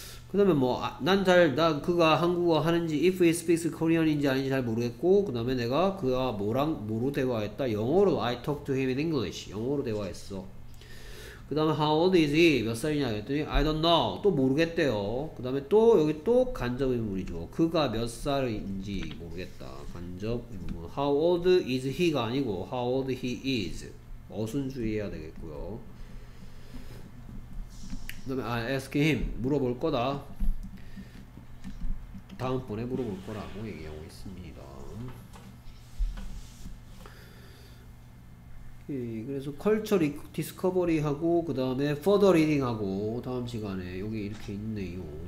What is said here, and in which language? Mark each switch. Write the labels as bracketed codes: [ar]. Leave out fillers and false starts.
[ko] 그 다음에 뭐, 난 그가 한국어 하는지, [en] if he speaks Korean [ko] 인지 아닌지 잘 모르겠고, 그 다음에 내가 그와 뭐랑, 뭐로 대화했다? [en] 영어로, I talk to him in English. [ko] 영어로 대화했어. 그 다음에 [en] how old is he? [ko] 몇 살이냐? [en] 그랬더니, I don't know. [ko] 또 모르겠대요. 그 다음에 또, 여기 또 간접 의문이죠. 그가 몇 살인지 모르겠다. 간접 의문. [en] How old is he가 아니고, how old he is. [ko] 어순주의해야 되겠고요. [en] 그 다음에 I ask him [ko] 물어볼 거다. 다음번에 물어볼 거라고 얘기하고 있습니다. 예, 그래서 culture discovery 하고 그 다음에 further reading 하고 다음 시간에 여기 이렇게 있네요.